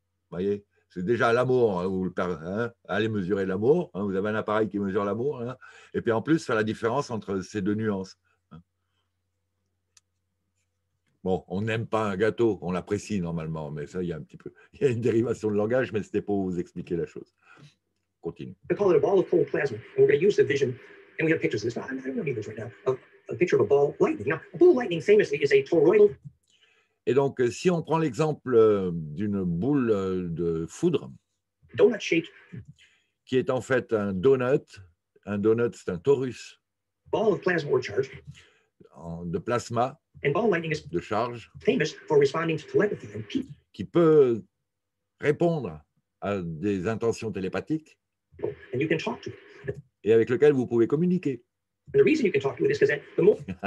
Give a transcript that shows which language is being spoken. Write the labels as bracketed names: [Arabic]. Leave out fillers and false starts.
[French] Vous voyez, c'est déjà l'amour, allez mesurer l'amour, hein, vous avez un appareil qui mesure l'amour, hein, et puis en plus faire la différence entre ces deux nuances. Bon, on n'aime pas un gâteau, on l'apprécie normalement, mais ça, il y a une dérivation de langage, mais ce n'était pas pour vous expliquer la chose. Continue. [English] We call it a ball of cold plasma, and we're going to use the vision, and we have pictures of this, but I don't need this right now, a picture of a ball of lightning. Now, a ball of lightning, famously, is a toroidal. [French] Et donc, si on prend l'exemple d'une boule de foudre, [English] donut shaped, [French] qui est en fait un donut, c'est un torus, [English] ball of plasma or charge, [French] de plasma, [English] and ball of lightning is [French] de charge, [English] famous for responding to telepathy and [French] qui peut répondre à des intentions télépathiques. [English] and you can talk to it. [French] Et avec lequel vous pouvez communiquer. [English] And the reason you can talk to it is because the more.